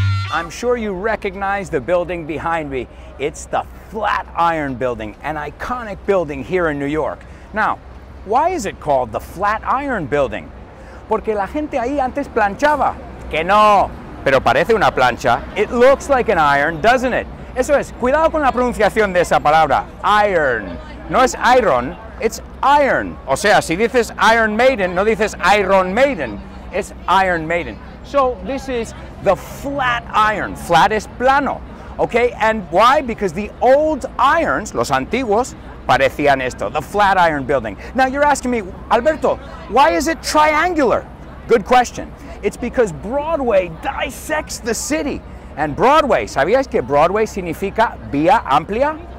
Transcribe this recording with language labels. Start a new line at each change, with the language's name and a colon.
English: I'm sure you recognize the building behind me. It's the Flatiron Building, an iconic building here in New York. Now, why is it called the Flatiron Building?
Spanish: Porque la gente ahí antes planchaba. Que no, pero parece una plancha.
English: It looks like an iron, doesn't it?
Spanish: Eso es, cuidado con la pronunciación de esa palabra, iron. No es iron,
English: it's iron.
Spanish: O sea, si dices Iron Maiden, no dices Iron Maiden,
English: it's Iron Maiden. So this is the Flatiron, flat is plano. Okay, and why? Because the old irons,
Spanish: los antiguos, parecían esto,
English: the Flatiron Building. Now you're asking me, Alberto, why is it triangular? Good question. It's because Broadway dissects the city.
Spanish: And Broadway, ¿sabías que Broadway significa vía amplia?